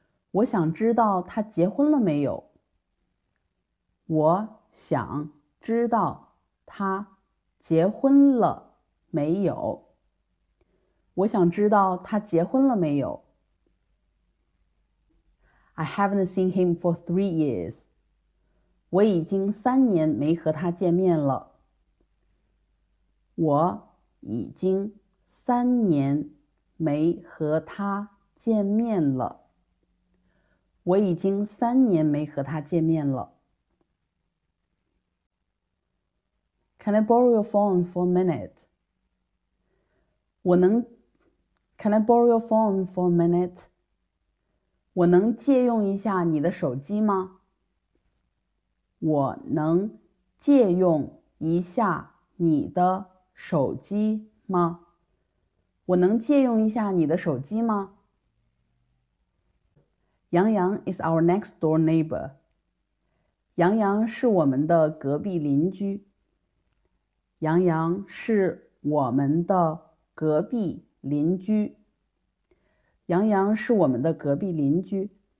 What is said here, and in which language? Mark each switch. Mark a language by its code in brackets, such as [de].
[zh] 我想知道他结婚了没有。我想知道他结婚了没有。我想知道他结婚了没有。 [en] I haven't seen him for 3 years. [zh] 我已经3年没和他见面了。我已经3年。没和他见面了。我已经3年没和他见面了。 [en] Can I borrow your phone for a minute? Can I borrow your phone for a minute? [zh] 我能借用一下你的手机吗？我能借用一下你的手机吗？我能借用一下你的手机吗？ [en] 杨洋 is our next door neighbor. [zh] 杨洋是我们的隔壁邻居。杨洋是我们的隔壁邻居。杨洋是我们的隔壁邻居。